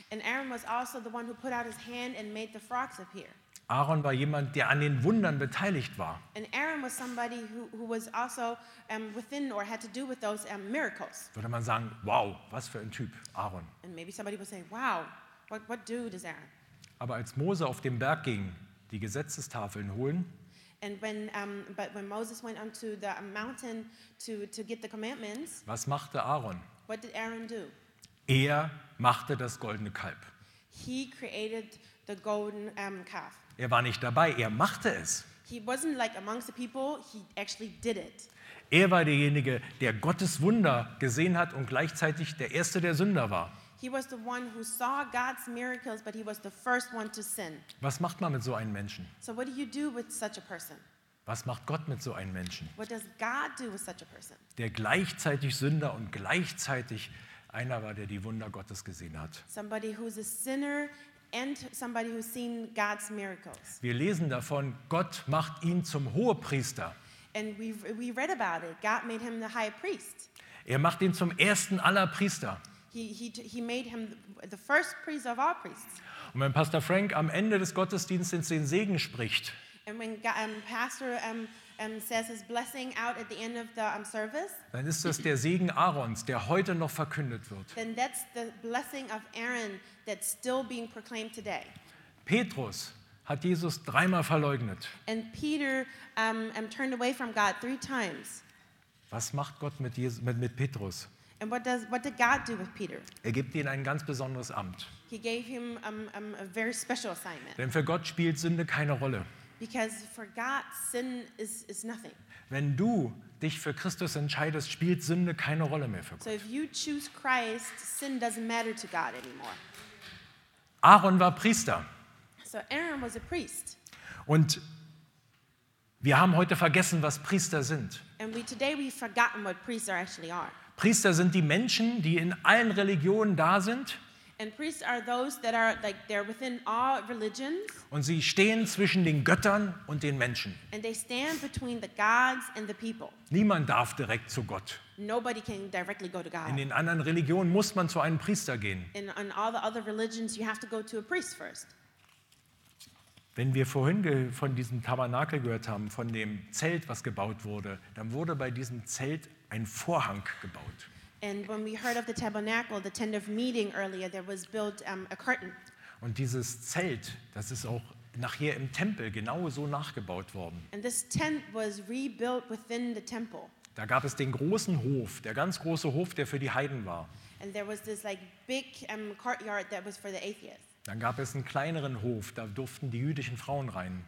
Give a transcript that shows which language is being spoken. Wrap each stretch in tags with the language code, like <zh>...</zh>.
<en>And Aaron was also the one who put out his hand and made the frogs appear.</en> <de>Aaron war jemand, der an den Wundern beteiligt war.</de> <en>And Aaron was somebody who was also within or had to do with those miracles.</en> <de>Würde man sagen, wow, was für ein Typ, Aaron.</de> <en>And maybe somebody would say, wow, what dude is Aaron?</en> <de>Aber als Mose auf den Berg ging, die Gesetzestafeln holen.</de> <en>And when but when Moses went onto the mountain to get the commandments.</en> <de>Was machte Aaron?</de> <en>What did Aaron do?</en> <de>Er machte das goldene Kalb.</de> <en>He created the golden calf.</en> <de>Er war nicht dabei, er machte es.</de> <en>He wasn't like amongst the people, he actually did it.</en> <de>Er war derjenige, der Gottes Wunder gesehen hat und gleichzeitig der Erste, der Sünder war.</de> <en>He was the one who saw God's miracles, but he was the first one to sin.</en> <de>Was macht man mit so einem Menschen?</de> <en>So what do you do with such a person?</en> <de>Was macht Gott mit so einem Menschen?</de> <en>What does God do with such a person?</en> <de>Der gleichzeitig Sünder und gleichzeitig einer war, der die Wunder Gottes gesehen hat.</de> <en>Somebody who's a sinner and somebody who's seen God's miracles.</en> <de>Wir lesen davon, Gott macht ihn zum Hohepriester.</de> <en>And we read about it. God made him the high priest.</en> <de>Er macht ihn zum ersten aller Priester.</de> <en>He made him the first priest of all priests.</en> <de>Und wenn Pastor Frank am Ende des Gottesdienstes den Segen spricht.</de> <en>And when Pastor says his blessing out at the end of the service.</en> <de>Dann ist das der Segen Aarons, der heute noch verkündet wird.</de> <en>Then that's the blessing of Aaron that's still being proclaimed today.</en> <de>Petrus hat Jesus dreimal verleugnet.</de> <en>And Peter turned away from God three times.</en> <de>Was macht Gott mit Jesus, mit Petrus?</de> <en>And what did God do with Peter?</en> <de>Er gibt ihm ein ganz besonderes Amt.</de> <en>He gave him a very special assignment.</en> <de>Denn für Gott spielt Sünde keine Rolle.</de> <en>Because for God, sin is nothing.</en> <de>Wenn du dich für Christus entscheidest, spielt Sünde keine Rolle mehr für Gott.</de> <en>So if you choose Christ, sin doesn't matter to God anymore.</en> <de>Aaron war Priester.</de> <en>So Aaron was a priest.</en> <de>Und wir haben heute vergessen, was Priester sind.</de> <en>And today we've forgotten what priests actually are.</en> <de>Priester sind die Menschen, die in allen Religionen da sind.</de> <en>And priests are those that are like they're within all religions.</en> <de>Und sie stehen zwischen den Göttern und den Menschen.</de> <en>And they stand between the gods and the people.</en> <de>Niemand darf direkt zu Gott.</de> <en>Nobody can directly go to God.</en> <de>In den anderen Religionen muss man zu einem Priester gehen.</de> <en>In all the other religions you have to go to a priest first.</en> <de>Wenn wir vorhin von diesem Tabernakel gehört haben, von dem Zelt, was gebaut wurde, dann wurde bei diesem Zelt ein Vorhang gebaut.</de> <en>And when we heard of the tabernacle, the tent of meeting earlier, there was built a curtain.</en> <de>Und dieses Zelt, das ist auch nachher im Tempel genau so nachgebaut worden.</de> <en>And this tent was rebuilt within the temple.</en> <de>Da gab es den großen Hof, der ganz große Hof, der für die Heiden war.</de> <en>And there was this like big courtyard that was for the atheists.</en> <de>Dann gab es einen kleineren Hof, da durften die jüdischen Frauen rein.</de>